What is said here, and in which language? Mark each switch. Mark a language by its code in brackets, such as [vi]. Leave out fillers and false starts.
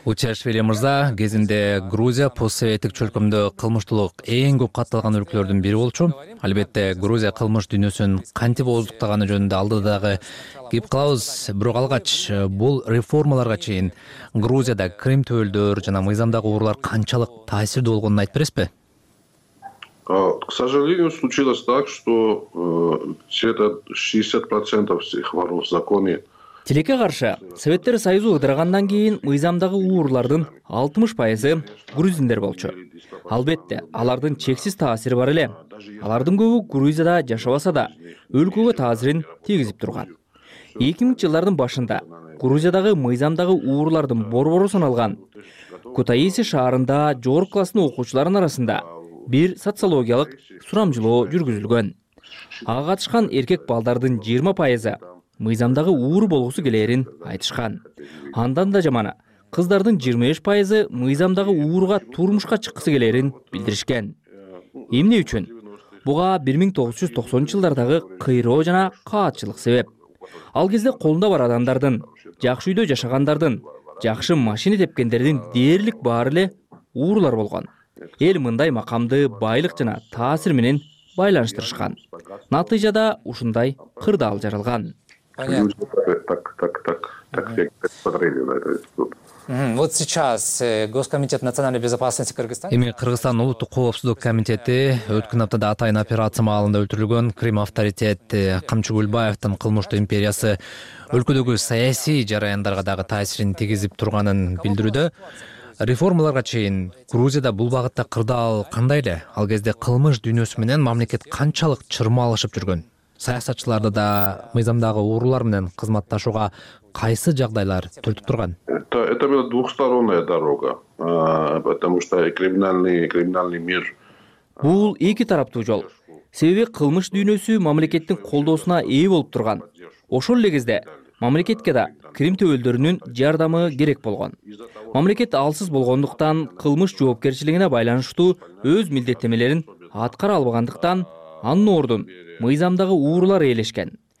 [ky] Утиашвили мырза, кезинде Грузия постсоветтик чөлкөмдө кылмыштуулук эң көп катталган өлкөлөрдүн бири болчу. Албетте, Грузия кылмыш дүйнөсүн кантип ооздуктаганы жөнүндө алдыдагы кеп кылабыз. Бирок алгач бул реформаларга чейин Грузияда крим төбөлдөр жана мыйзамдагы уурлар канчалык таасирдүү болгонун айтып бересизби? [ru] К сожалению, случилось так, что где-то 60% всех воров в законе. [ky] Тилекке каршы, Советтер Союзу ыдыргандан кийин мыйзамдагы уурлардын 60% грузиндер болчу. Албетте, алардын чексиз таасири бар эле. Алардын көбү Грузияда жашабаса да, өлкөгө таасирин тийгизип турган. 2000-жылдардын башында Грузиядагы мыйзамдагы уурлардын борбору саналган Кутаиси шаарында жогорку класстын окуучуларынын арасында бир социологиялык сурамжылоо жүргүзүлгөн. Ага катышкан эркек балдардын 20% мыйзамдагы уур болгусу келерин айтышкан. Андан да жаманы, кыздардын 25% мыйзамдагы уурга турмушка чыккысы келерин билдиришкен. Эмне үчүн? Буга 1990-жылдардагы кыйроо жана каатчылык себеп. Ал кезде колунда бар адамдардын, жакшы үйдө жашагандардын, жакшы машина тепкендердин дээрлик баары эле уурлар болгон. Эл мындай макамды байлык жана таасир менен байланыштырышкан. Натыйжада ушундай кырдаал жаралган. [ru] Вот сейчас Госкомитет национальной безопасности Кыргызстана. [ky] Эми Кыргызстан улуттук коопсуздук комитети өткөн аптада атайын операция маалында өлтүрүлгөн крим авторитети Камчы Көлбаевдин кылмыштуу империясы өлкөдөгү саясий жараяндарга дагы таасирин тийгизип турганын билдирүүдө. Реформаларга чейин Грузияда бул багытта кырдаал кандай эле? Ал кезде кылмыш дүйнөсү менен мамлекет канчалык чырмалышып жүргөн? Саясатчыларды да мыйзамдагы уурлар менен кызматташууга кайсы жагдайлар түртүп турган? [ru] Это была двухсторонняя дорога, потому что криминальный мир. [ky] Бул эки тараптуу жол. Себеби кылмыш дүйнөсү мамлекеттин колдоосуна ээ болуп турган. Ошол эле кезде мамлекетке да крим төбөлдөрүнүн жардамы керек болгон. Мамлекет алсыз болгондуктан кылмыш жоопкерчилигине байланыштуу өз милдеттемелерин аткара албагандыктан анын ордун мыйзамдагы уурлар ээлешкен.